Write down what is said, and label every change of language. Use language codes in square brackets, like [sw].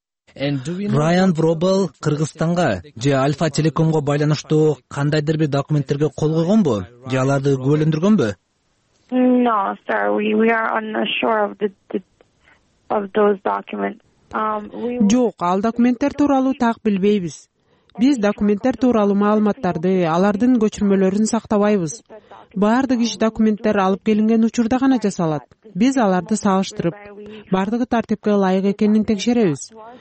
[ky] Райан Рубл Кыргызстанга же Альфа Телекомго байланыштуу кандайдыр бир документтерге кол койгонбу же аларды күбөлөндүргөнбү? [en] No, sir. We are unsure of those documents. [ky] Жок, ал документтер тууралуу так билбейбиз. Биз документтер тууралуу маалыматтарды, алардын көчүрмөлөрүн сактабайбыз. Бардык иш документтер алып келинген учурда гана жасалат. Биз аларды салыштырып, бардыгы тартипке ылайык экенин текшеребиз.